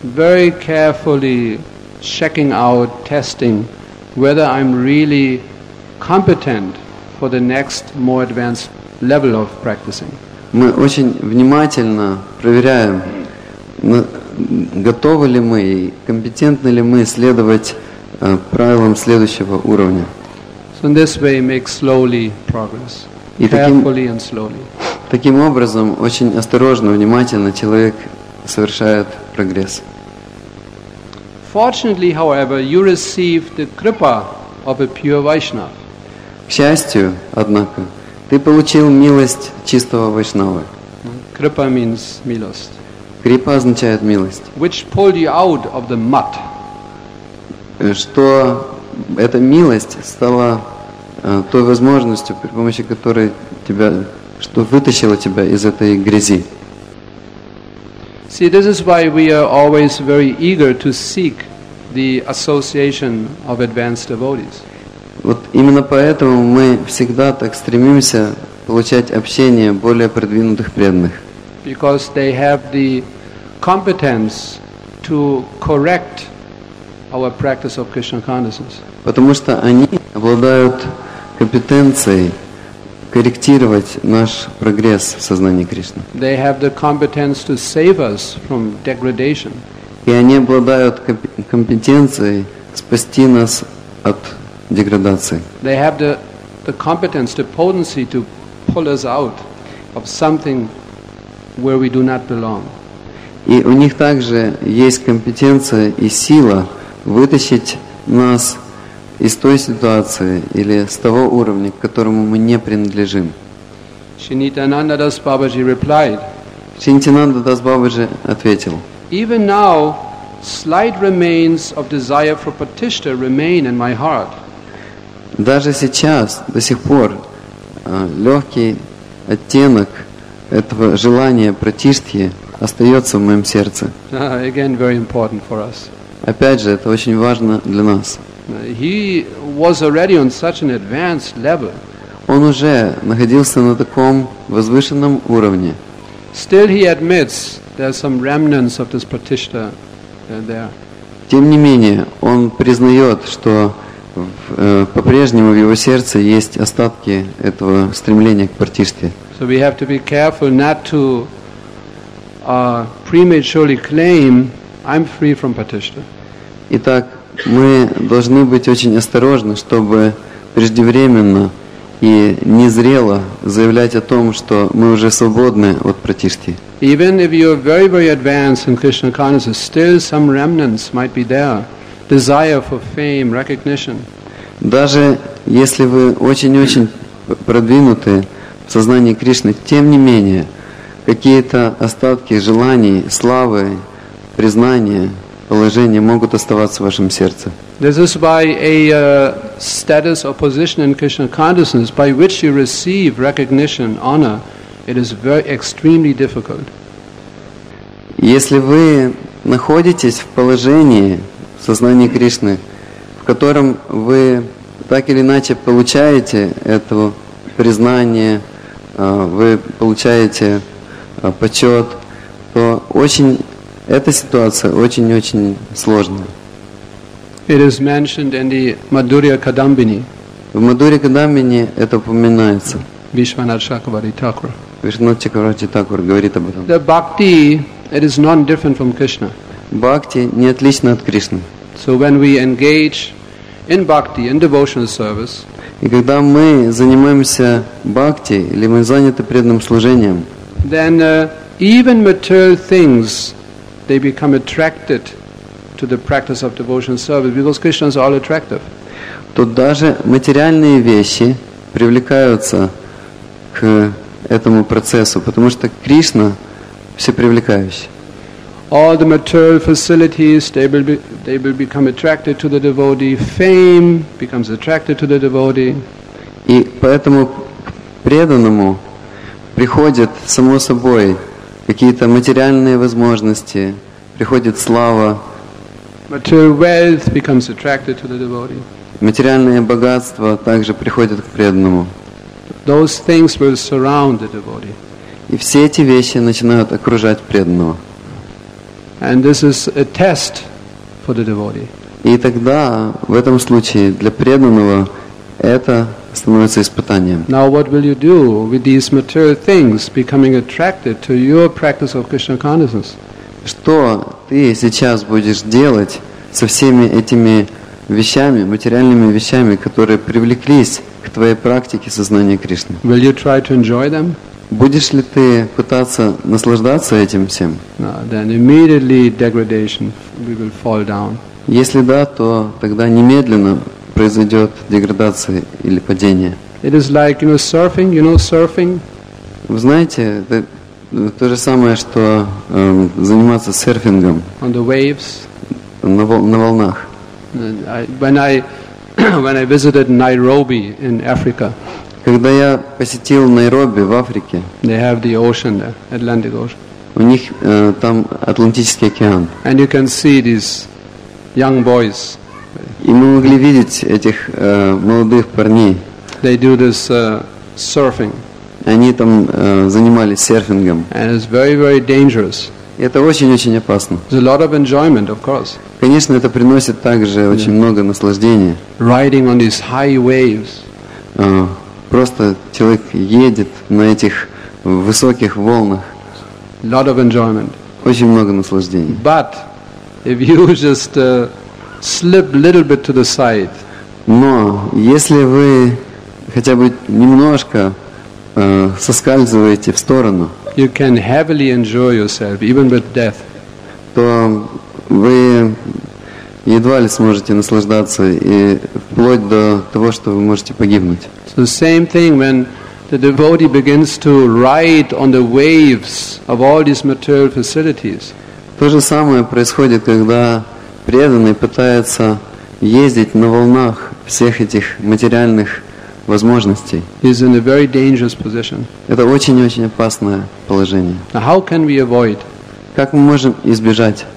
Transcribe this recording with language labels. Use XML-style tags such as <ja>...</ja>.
<en>Very carefully checking out, testing whether I'm really competent for the next more advanced level of practicing.</en> <ru>Мы очень внимательно проверяем, готовы ли мы, компетентны ли мы следовать правилам следующего уровня.</ru> <en>So in this way make slowly progress, carefully and slowly.</en> <ru>Таким образом, очень осторожно, внимательно человек совершает прогресс.</ru> <en>Fortunately, however, you receive the kripa of a pure Vaishnava.</en> <ru>К счастью, однако, ты получил милость чистого Вайшнавы.</ru> <en>Kripa means милость.</en> <ru>Крипа означает милость.</ru> <en>Which pulled you out of the mud.</en> <ru>Что эта милость стала той возможностью, при помощи которой тебя, что вытащило тебя из этой грязи.</ru> <en>See, this is why we are always very eager to seek the association of advanced devotees.</en> <ru>Вот именно поэтому мы всегда так стремимся получать общение более продвинутых преданных.</ru> <en>Because they have the competence to correct our practice of Krishna consciousness.</en> <ru>Потому что они обладают компетенцией корректировать наш прогресс в сознании Кришны.</ru> <en>They have the competence to save us from degradation.</en> <ru>И они обладают компетенцией спасти нас от деградации.</ru> <en>They have the competence, the potency to pull us out of something where we do not belong.</en> <ru>И у них также есть компетенция и сила вытащить нас из той ситуации или с того уровня, к которому мы не принадлежим.</ru> <en>Шринитананда Дас Бабаджи replied.</en> <ru>Шринитананда Дас Бабаджи ответил.</ru> <en>Even now, slight remains of desire for Pratishtha remain in my heart.</en> <ru>Даже сейчас, до сих пор, легкий оттенок этого желания Пратиштхи остается в моем сердце.</ru> <en>Again, very important for us.</en> <ru>Опять же, это очень важно для нас.</ru> <en>He was already on such an advanced level.</en> <ru>Он уже находился на таком возвышенном уровне.</ru> <en>Still he admits there's some remnants of this Pratiṣṭha there.</en> <ru>Тем не менее, он признает, что по-прежнему в его сердце есть остатки этого стремления к Пратиṣṭhе.</ru> <en>So we have to be careful not to prematurely claim I'm free from Pratiṣṭha.</en> <ru>Итак, мы должны быть очень осторожны, чтобы преждевременно и незрело заявлять о том, что мы уже свободны от Пратиṣṭhи.</ru> <en>Even if you are very, very advanced in Krishna consciousness, still some remnants might be there. Desire for fame, recognition.</en> <ru>Даже если вы очень-очень продвинуты в сознании Кришны, тем не менее, какие-то остатки желаний, славы, признания, положения могут оставаться в вашем сердце.</ru> <en>This is by a status or position in Krishna consciousness by which you receive recognition, honor. It is very extremely difficult.</en> <ru>Если вы находитесь в положении в сознании Кришны, в котором вы так или иначе получаете это признание, вы получаете почет, то очень эта ситуация очень-очень сложная.</ru> <en>It is mentioned in the Madhurya Kadambini.</en> <ru>В Мадхурья Кадамбини это упоминается.</ru> <en>Вишванат Чакраварти Такур.</en> <ru>Вишванат Чакраварти Такур говорит об этом.</ru> <en>The bhakti, it is not different from Krishna.</en> <ru>Бхакти не отлична от Кришны.</ru> <en>So when we engage in bhakti, in devotional service,</en> <ru>и когда мы занимаемся бхакти или мы заняты преданным служением,</ru> <en>then even material things they become attracted to the practice of devotional service because Krishna is all attractive.</en> <ru>То даже материальные вещи привлекаются к этому процессу, потому что Кришна всепривлекающий.</ru> <en>all the material facilities, they will become attracted to the devotee. Fame becomes attracted to the devotee.</en> <ru>И поэтому преданному приходят само собой какие-то материальные возможности, приходит слава.</ru> <en>Material wealth becomes attracted to the devotee.</en> <ru>Материальные богатства также приходят к преданному.</ru> <en>Those things will surround the devotee.</en> <ru>И все эти вещи начинают окружать преданного.</ru> <en>And this is a test for the devotee.</en> <ru>И тогда, в этом случае, для преданного это становится испытанием.</ru> <en>Now what will you do with these material things becoming attracted to your practice of Krishna consciousness?</en> <ru>Что ты сейчас будешь делать со всеми этими вещами, материальными вещами, которые привлеклись к твоей практике сознания Кришны?</ru> <en>Will you try to enjoy them?</en> <ru>Будешь ли ты пытаться наслаждаться этим всем?</ru> <en>No, then immediately degradation, we will fall down.</en> <ru>Если да, то тогда немедленно произойдет деградация или падение.</ru> <en>It is like, you know, surfing. You know surfing?</en> <ru>Вы знаете, это то же самое, что заниматься серфингом.</ru> <en>On the waves.</en> <ru>На волнах.</ru> <en>When I visited Nairobi in Africa.</en> <ru>Когда я посетил Найроби в Африке.</ru> <en>They have the ocean there, Atlantic Ocean.</en> <ru>У них там Атлантический океан.</ru> <en>And you can see these young boys.</en> <ru>И мы могли видеть этих молодых парней.</ru> <en>They do this surfing.</en> <ru>Они там занимались серфингом.</ru> <en>And it's very, very dangerous.</en> <ru>И это очень-очень опасно.</ru> <en>There's a lot of enjoyment, of course.</en> <ru>Конечно, это приносит также очень много наслаждения.</ru> <en>Riding on these high waves.</en> <ru>Просто человек едет на этих высоких волнах.</ru> <en>Lot of enjoyment.</en> <ru>Очень много наслаждений.</ru> <en>But if you just slip a little bit to the side.</en> <ru>Но если вы хотя бы немножко соскальзываете в сторону,</ru> <en>you can heavily enjoy yourself, even with death.</en> <ru>То вы едва ли сможете наслаждаться и вплоть до того, что вы можете погибнуть.</ru> <en>So the same thing when the devotee begins to ride on the waves of all these material facilities.</en> <ru>То же самое происходит, когда преданный пытается ездить на волнах всех этих материальных возможностей.</ru> <en>He's in a very dangerous position.</en> <ru>Это очень-очень опасное положение.</ru> <en>Now how can we avoid?</en> <ru>Как мы можем избежать?</ru>